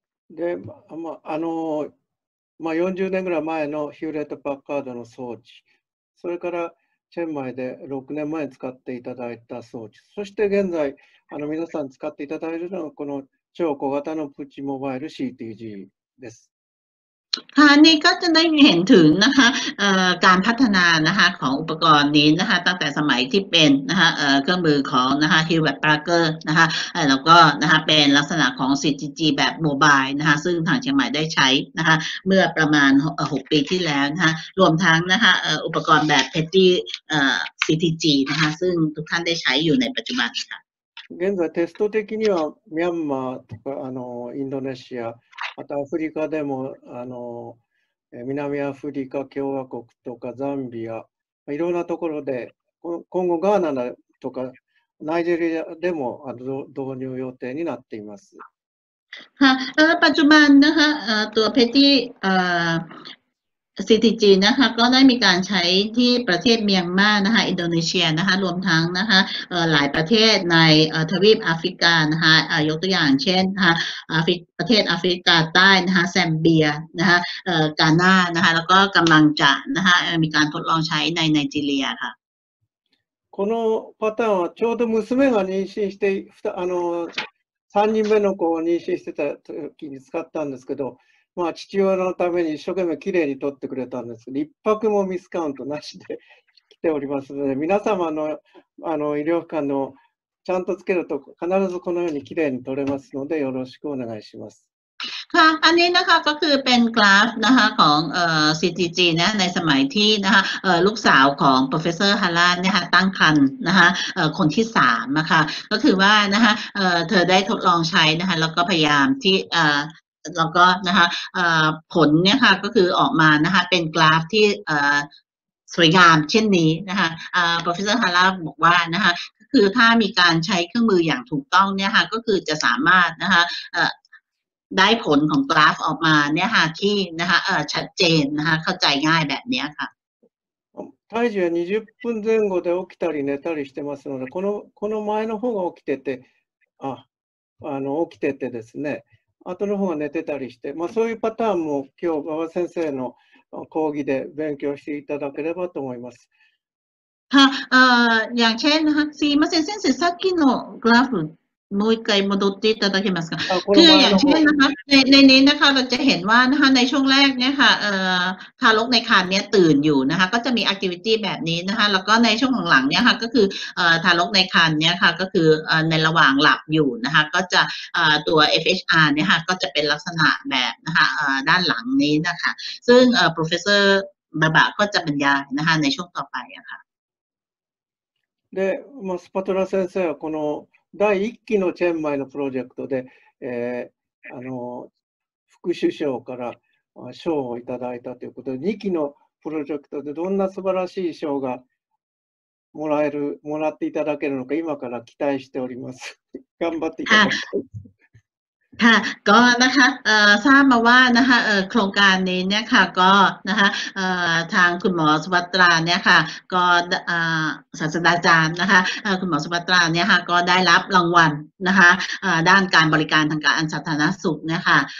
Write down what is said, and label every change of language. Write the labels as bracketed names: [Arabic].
[Japanese] で、まあ40年ぐらい前のヒューレット・パッカードの装置、それからチェンマイで6年前に使っていただいた装置、そして現在あの皆さん使っていただいているのはこの超小型のプチモバイル CTG です。 [Thai] ค่ะนี่ก็จะได้เห็นถึงนะคะการพัฒนานะคะของอุปกรณ์นี้นะคะตั้งแต่สมัยที่เป็นนะคะเครื่องมือของนะคะฮิวแบตปาร์เกอร์นะคะแล้วก็นะคะเป็นลักษณะของ CTG แบบโมบายนะคะซึ่งทางเชียงใหม่ได้ใช้นะคะเมื่อประมาณ6ปีที่แล้วนะคะรวมทั้งนะคะอุปกรณ์แบบเพตตี้CTG นะคะซึ่งทุกท่านได้ใช้อยู่ในปัจจุบันค่ะ [Japanese] 現在テスト的にはミャンマーとかあのインドネシア、あとアフリカでもあの南アフリカ共和国とかザンビア、いろんなところで今後ガーナとかナイジェリアでも導入予定になっています。はい、 [Thai] ปัจจุบันนะคะตัวเพตตี้CTG นะคะก็ได้มีการใช้ที่ประเทศเมียนมานะคะอินโดนีเซียนะคะรวมทั้งนะคะหลายประเทศในทวีปแอฟริกานะคะยกตัวอย่างเช่นนะคะประเทศแอฟริกาใต้นะคะแซมเบียนะคะกานานะคะแล้วก็กำลังจะนะคะมีการทดลองใช้ในไนจีเรียค่ะ [Japanese] このパターンはちょうど娘が妊娠して3人目の子を妊娠してた時に使ったんですけどまあ父親のために一生懸命きれいに撮ってくれたんですけど、一泊もミスカウントなしで来ておりますので、皆様の、あの医療機関のちゃんとつけると必ずこのようにきれいに撮れますので、よろしくお願いします。 [Thai] ค่ะอันนี้นะคะก็คือเป็นกราฟนะคะของCTG นะในสมัยที่นะคะลูกสาวของ professor ฮาราเนี่ยค่ะตั้งครรภ์นะคะคนที่3นะคะก็คือว่านะคะเธอได้ทดลองใช้นะคะแล้วก็พยายามที่แล้วก็นะคะผลเนี่ยค่ะก็คือออกมานะคะเป็นกราฟที่ สวยงามเช่นนี้นะคะProfessor Hara บอกว่านะคะก็คือถ้ามีการใช้เครื่องมืออย่างถูกต้องเนี่ยค่ะก็คือจะสามารถนะคะได้ผลของกราฟออกมาเนี่ยค่ะที่นะคะชัดเจนนะคะเข้าใจง่ายแบบนี้ค่ะ [Japanese] 体重は20分前後で起きたり寝たりしてますのでこの前の方が起きてて起きててですね。後の方が寝てたりして、まあ、そういうパターンも今日馬場先生の講義で勉強していただければと思います。はい、やんけん、すいません、先生、さっきのグラフ。もう一回戻っていただけますか。 [Thai] คืออย่างเช่นนะคะในนี้นะคะเราจะเห็นว่านะคะในช่วงแรกเนี่ยค่ะทารกในครรภ์เนี่ยตื่นอยู่นะคะก็จะมีแอคทิวิตี้แบบนี้นะคะแล้วก็ในช่วงหลังๆเนี่ยค่ะก็คือทารกในครรภ์เนี่ยค่ะก็คือในระหว่างหลับอยู่นะคะก็จะตัว FHR เนี่ยค่ะก็จะเป็นลักษณะแบบนะคะด้านหลังนี้นะคะซึ่งProfessor บาบาก็จะบรรยายนะคะในช่วงต่อไปอะค่ะ [Japanese] で、 [Thai] มา [Japanese] สปาตูลา先生はこの第1期のチェンマイのプロジェクトで、副首相から賞をいただいたということで、2期のプロジェクトでどんな素晴らしい賞がもらえる、もらっていただけるのか今から期待しております。頑張っていただきます。 [Thai] ค่ะก็นะคะทราบมาว่านะคะโครงการนี้เนี่ยค่ะก็นะคะทางคุณหมอสุภัตราเนี่ยค่ะก็ศาสตราจารย์นะคะคุณหมอสุภัตราเนี่ยค่ะก็ได้รับรางวัลนะคะด้านการบริการทางการสาธารณสุขเนี่ยค่ะ